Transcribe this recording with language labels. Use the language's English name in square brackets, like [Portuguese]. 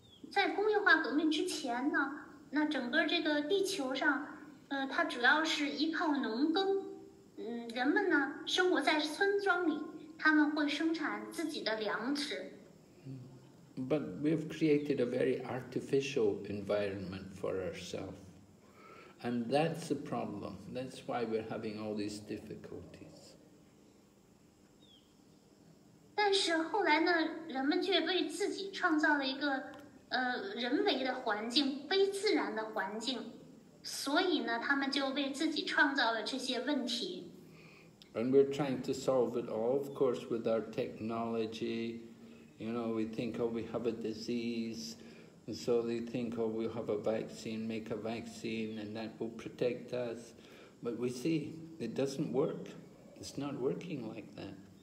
[Chinese] 在工业化革命之前呢，那整个这个地球上，它主要是依靠农耕。人们呢生活在村庄里，他们会生产自己的粮食。 [English] But we've created a very artificial environment for ourselves. And that's the problem. That's why we're having all these difficulties. [Chinese] 但是后来呢，人们却为自己创造了一个人为的环境，非自然的环境，所以呢，他们就为自己创造了这些问题。 [English] And we're trying to solve it all, of course, with our technology. You know, we think, oh, we have a disease. And so they think, oh, we'll have a vaccine, make a vaccine, and that will protect us. But we see, it doesn't work. It's not working like that.